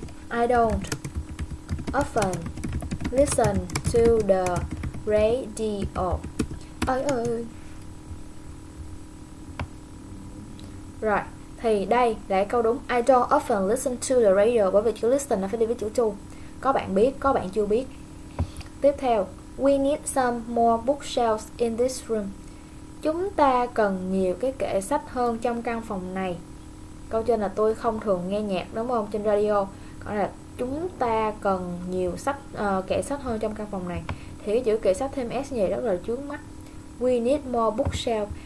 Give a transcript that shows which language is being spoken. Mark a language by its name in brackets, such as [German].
[English] I don't often listen to the radio. Ơi ơi. [Vietnamese] Rồi, thì đây là cái câu đúng. [English] I don't often listen to the radio. [Vietnamese] Bởi vì chữ listen nó phải đi với chữ to. Có bạn biết, có bạn chưa biết. Tiếp theo, [English] we need some more bookshelves in this room. [Vietnamese] Chúng ta cần nhiều cái kệ sách hơn trong căn phòng này. Câu trên là tôi không thường nghe nhạc đúng không, trên radio. Còn là chúng ta cần nhiều sách kệ sách hơn trong căn phòng này. Thì cái chữ kệ sách thêm s nhẹ rất là chướng mắt. [English] We need more bookshelf.